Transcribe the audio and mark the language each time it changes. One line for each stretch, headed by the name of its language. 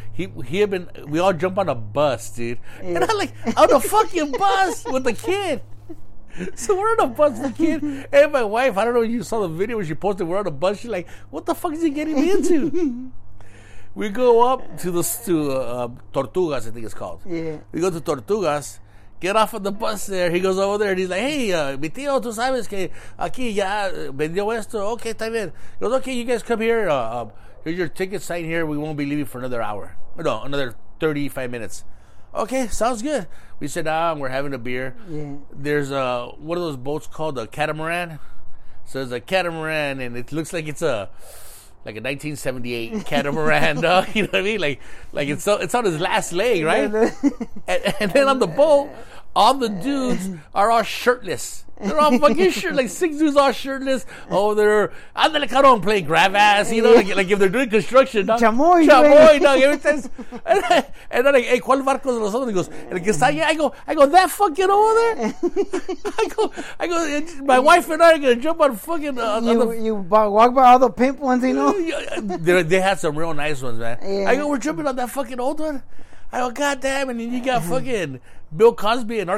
English: He had been, we all jump on a bus, dude. Yeah. And I'm like, on a fucking bus with a kid. So we're on a bus with a kid. And my wife, I don't know if you saw the video when she posted, we're on a bus. She's like, what the fuck is he getting me into? We go up to the Tortugas, I think it's called. Yeah. We go to Tortugas. Get off of the bus there. He goes over there and he's like, hey,
Spanish: mi tío, tú sabes que aquí ya vendió esto. Okay, está bien.
English: He goes, okay, you guys come here. Here's your ticket, sign here. We won't be leaving for another hour. No, another 35 minutes. Okay, sounds good. We sit down. We're having a beer. Yeah. There's one of those boats called a catamaran. So it's a catamaran and it looks like it's a... like a 1978 catamaran, dog. You know what I mean? Like it's on his last leg, right? And then on the boat, all the dudes are all shirtless. They're all fucking shirtless. Like six dudes all shirtless. Oh, they're on the like, I don't play grab ass. You know, like if they're doing construction, dog. Chamoy, dog. And then like, hey,
Spanish: ¿cuál barco es los otros?
English: He goes,
Spanish: el que está allá.
English: I go, that fucking over there. I go. My wife and I are gonna jump on fucking. Walk by all the pimp ones, you know. They had some real nice ones, man. Yeah. I go, we're jumping on that fucking old one. I go, God damn, and then you got fucking Bill Cosby and R.